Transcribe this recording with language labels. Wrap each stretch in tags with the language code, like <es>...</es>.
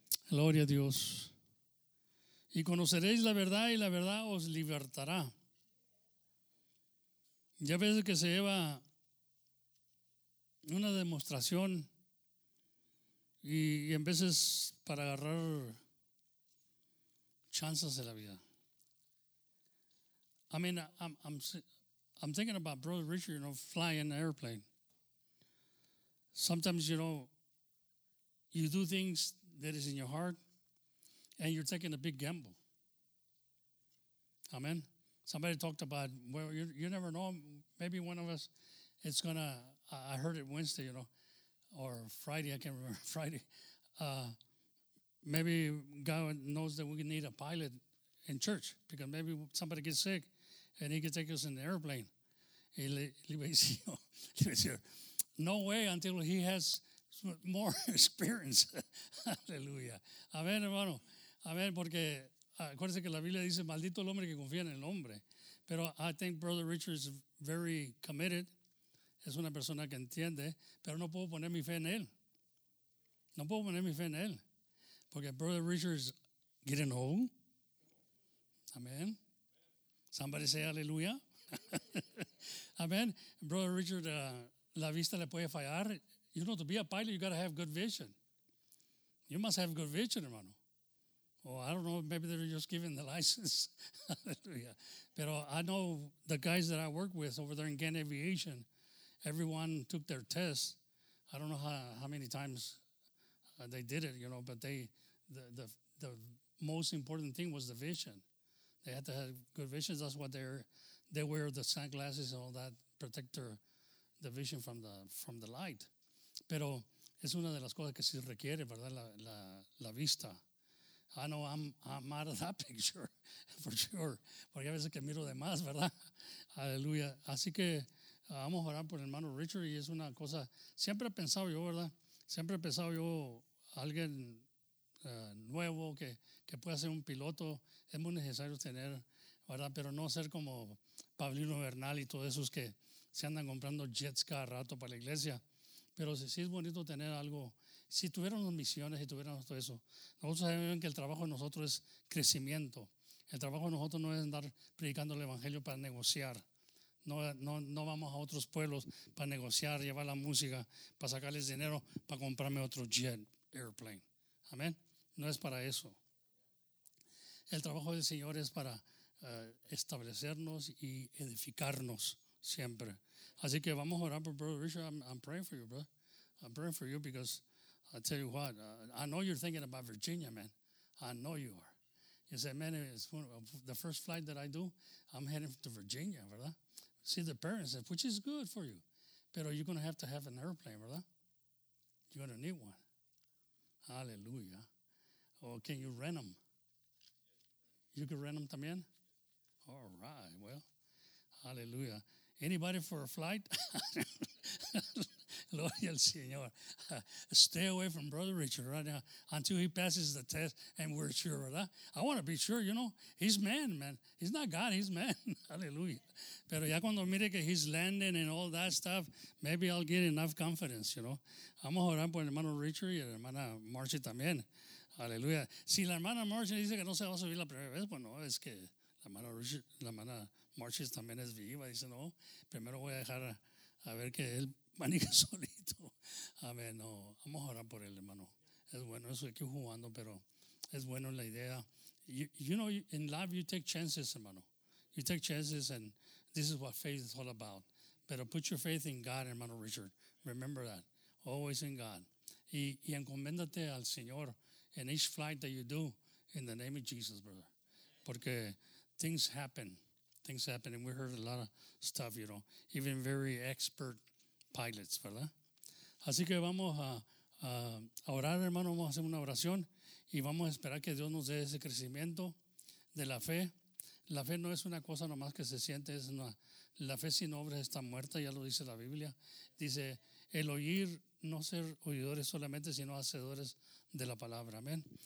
<es>Gloria a Dios. Y conoceréis la verdad y la verdad os libertará. Ya ves que se lleva una demostración y en veces para agarrar chances de la vida.</es> <en>I mean, I'm thinking about Brother Richard, you know, flying an airplane. Sometimes, you know, you do things that is in your heart and you're taking a big gamble. Amen. Somebody talked about, well, you never know, maybe one of us, it's going to, I heard it Wednesday, you know, or Friday, I can't remember, Friday. Maybe God knows that we need a pilot in church because maybe somebody gets sick and he can take us in the airplane.</en> <es>Y le decía,</es> <en>no way until he has more experience.</en> <es>Aleluya. Amén, hermano. Amén, porque acuérdense que la Biblia dice, maldito el hombre que confía en el hombre.</es> <en>Pero I think Brother Richard is very committed.</en> <es>Es una persona que entiende, pero no puedo poner mi fe en él. No puedo poner mi fe en él. Porque</es> <en>Brother Richard is getting old.</en> <es>Amén.</es> <en>Somebody say aleluya. Amén.</en> <es>Brother Richard, la vista le puede fallar.</es> <en>You know, to be a pilot, you got to have good vision. You must have good vision, hermano. Oh, I don't know, maybe they're just giving the license. Hallelujah. But I know the guys that I work with over there in Gann Aviation, everyone took their test. I don't know how many times they did it, you know, but the most important thing was the vision. They had to have good vision. That's what they wear the sunglasses and all that, protect the vision from the light.</en> <es>Pero es una de las cosas que sí requiere, ¿verdad? La vista.</es> <en>I know I'm out of that picture, for sure.</en> <es>Porque a veces que miro de más, ¿verdad? Aleluya. Así que vamos a orar por el hermano Richard. Y es una cosa, siempre he pensado yo, ¿verdad? Siempre he pensado yo, alguien nuevo que pueda ser un piloto, es muy necesario tener, ¿verdad? Pero no ser como Pablino Bernal y todos esos que se andan comprando jets cada rato para la iglesia. Pero sí es bonito tener algo. Si tuviéramos misiones y tuviéramos todo eso, nosotros sabemos que el trabajo de nosotros es crecimiento. El trabajo de nosotros no es andar predicando el evangelio para negociar. No vamos a otros pueblos para negociar, llevar la música, para sacarles dinero, para comprarme otro jet airplane. Amén. No es para eso. El trabajo del Señor es para establecernos y edificarnos siempre. Así que vamos a orar por Brother Richard.</es> <en>I'm praying for you, brother. I'm praying for you because I tell you what, I know you're thinking about Virginia, man. I know you are. You say, man, it's the first flight that I do, I'm heading to Virginia, ¿verdad? See the parents, which is good for you. Pero you're going to have an airplane, ¿verdad? You're going to need one. Aleluya. Or can you rent them? You can rent them también? All right, well, aleluya. Anybody for a flight?</en> <es>Gloria al Señor.</es> <en>Stay away from Brother Richard right now until he passes the test and we're sure, ¿verdad? I want to be sure, you know. He's man. He's not God, he's man. Hallelujah.</en> <es>Pero ya cuando mire que</es> <en>he's landing and all that stuff, maybe I'll get enough confidence, you know.</en> <es>Vamos a orar por el hermano Richard y la hermana Marcy también. Hallelujah. Si la hermana Marcy dice que no se va a subir la primera vez, bueno, es que la hermana Richard, la hermana Marcy también es viva. Dice, no, primero voy a dejar a ver que él maneja solito. Amén. No, vamos a orar por él, hermano. Es bueno, eso aquí jugando, pero es bueno la idea.</es> <en>You know, in life you take chances, hermano. You take chances, and this is what faith is all about. Pero put your faith in God, hermano Richard. Remember that. Always in God.</en> <es>Y encomiéndate al Señor</es> <en>in each flight that you do in the name of Jesus, brother. Porque things happen. Things happen, and we heard a lot of stuff, you know, even very expert pilots, ¿verdad?</en> <es>Así que vamos a orar, hermano, vamos a hacer una oración y vamos a esperar que Dios nos dé ese crecimiento de la fe. La fe no es una cosa nomás que se siente, es una, la fe sin obras está muerta, ya lo dice la Biblia. Dice, el oír, no ser oidores solamente, sino hacedores de la palabra. Amén.</es>